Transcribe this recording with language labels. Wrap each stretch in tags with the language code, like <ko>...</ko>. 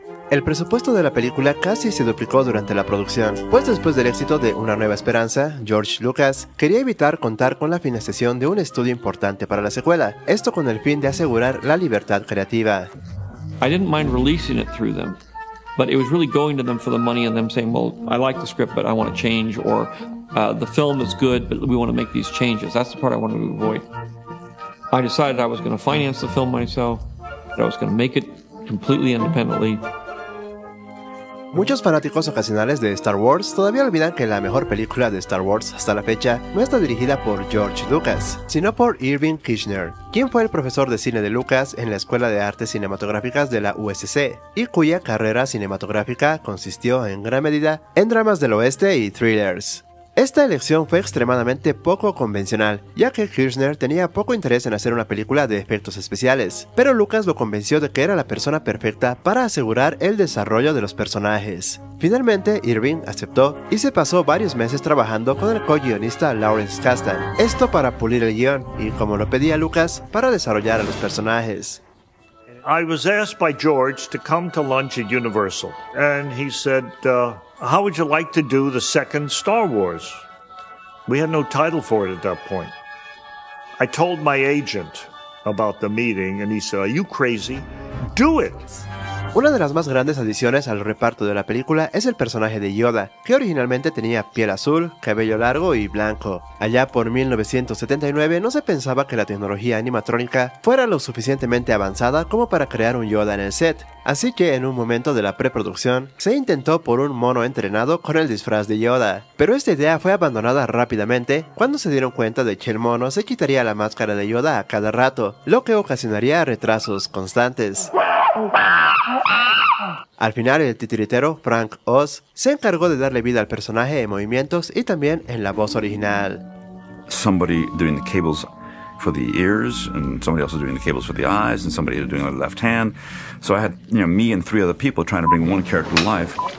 <es>El presupuesto de la película casi se duplicó durante la producción, pues después del éxito de Una Nueva Esperanza, George Lucas quería evitar contar con la financiación de un estudio importante para la secuela, esto con el fin de asegurar la libertad creativa.</es> <en>I didn't mind releasing it through them, But it was really going to them for the money and them saying, well, I like the script, but I want to change, or the film is good, but we want to make these changes. That's the part I wanted to avoid. I decided I was going to finance the film myself, that I was going to make it completely independently.</en> <es>Muchos fanáticos ocasionales de Star Wars todavía olvidan que la mejor película de Star Wars hasta la fecha no está dirigida por George Lucas, sino por Irving Kirchner, quien fue el profesor de cine de Lucas en la Escuela de Artes Cinematográficas de la USC, y cuya carrera cinematográfica consistió en gran medida en dramas del oeste y thrillers. Esta elección fue extremadamente poco convencional, ya que Kirchner tenía poco interés en hacer una película de efectos especiales, pero Lucas lo convenció de que era la persona perfecta para asegurar el desarrollo de los personajes. Finalmente, Irving aceptó y se pasó varios meses trabajando con el co-guionista Lawrence Kasdan, esto para pulir el guion y, como lo pedía Lucas, para desarrollar a los personajes.</es> <en>I was asked by George to come to lunch at Universal, and he said, how would you like to do the second Star Wars? We had no title for it at that point. I told my agent about the meeting, and he said, are you crazy? Do it!</en> <es>Una de las más grandes adiciones al reparto de la película es el personaje de Yoda, que originalmente tenía piel azul, cabello largo y blanco. Allá por 1979 no se pensaba que la tecnología animatrónica fuera lo suficientemente avanzada como para crear un Yoda en el set, así que en un momento de la preproducción se intentó por un mono entrenado con el disfraz de Yoda, pero esta idea fue abandonada rápidamente cuando se dieron cuenta de que el mono se quitaría la máscara de Yoda a cada rato, lo que ocasionaría retrasos constantes. Al final, el titiritero Frank Oz se encargó de darle vida al personaje en movimientos y también en la voz original.</es> <en>Somebody doing the cables for the ears, and somebody else was doing the cables for the eyes, and somebody doing the left hand. So I had, you know, me and three other people trying to bring one character to life.</en>